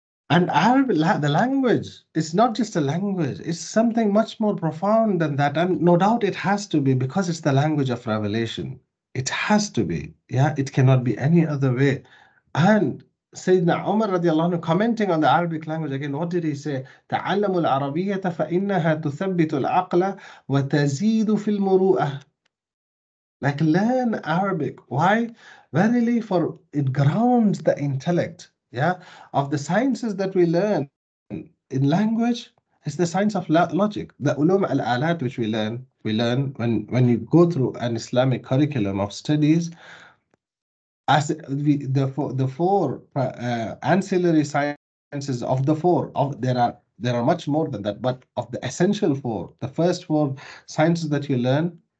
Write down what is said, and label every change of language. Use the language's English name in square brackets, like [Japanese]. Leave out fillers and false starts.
[English] And Arabic, the language, it's not just a language, it's something much more profound than that. And no doubt it has to be, because it's the language of revelation. It has to be, yeah? It cannot be any other way. And Sayyidina Umar radiallahu anhu, commenting on the Arabic language again, what did he say? [Arabic] تعلموا العربية فإنها تثبت العقل وتزيد في المروءة. [English] Like, learn Arabic. Why? Verily, for it grounds the intellect. Yeah, of the sciences that we learn in language is the science of logic. The ulum al-alat, which we learn when you go through an Islamic curriculum of studies, as the four ancillary sciences of the four, of there are much more than that, but of the essential four, the first four sciences that you learn,